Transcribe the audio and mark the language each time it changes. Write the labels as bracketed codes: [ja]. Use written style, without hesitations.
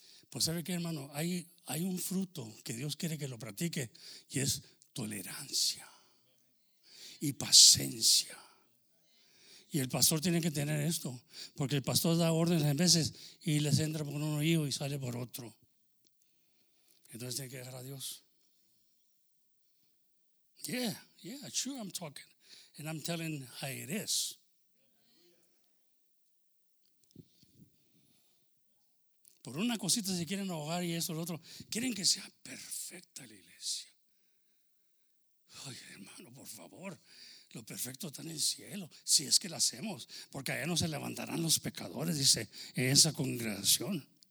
[es] Pues sabe qué, hermano, hay un fruto que Dios quiere que lo practique y es tolerancia y paciencia. Y el pastor tiene que tener esto, porque el pastor da órdenes a veces y les entra por un oído y sale por otro. Entonces tiene que dejar a Dios. [en] Yeah, sure I'm talking and I'm telling how it is. [es] Por una cosita se quieren ahogar y eso, lo otro. Quieren que sea perfecta la iglesia. Ay, hermano, por favor. Lo perfecto está en el cielo. Si es que lo hacemos. Porque allá no se levantarán los pecadores, dice, en esa congregación.